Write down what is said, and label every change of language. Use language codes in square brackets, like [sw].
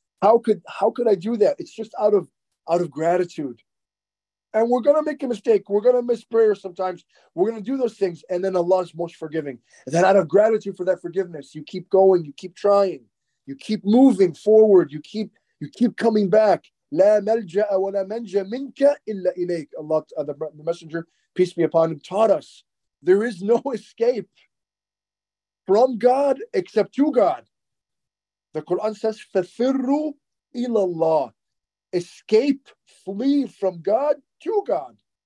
[en] How could I do that? It's just out of gratitude. And we're gonna make a mistake. We're gonna miss prayer sometimes. We're gonna do those things, and then Allah's most forgiving. And then out of gratitude for that forgiveness, you keep going, you keep trying, you keep moving forward, you keep coming back. [ar] لا ملجأ ولا منجا منك إلا إليك. [en] Allah, the Messenger, peace be upon him, taught us there is no escape from God except to God. The Quran says, [ar] فَفِرُّوا إِلَى اللَّهِ. [en] Escape, flee from God to God.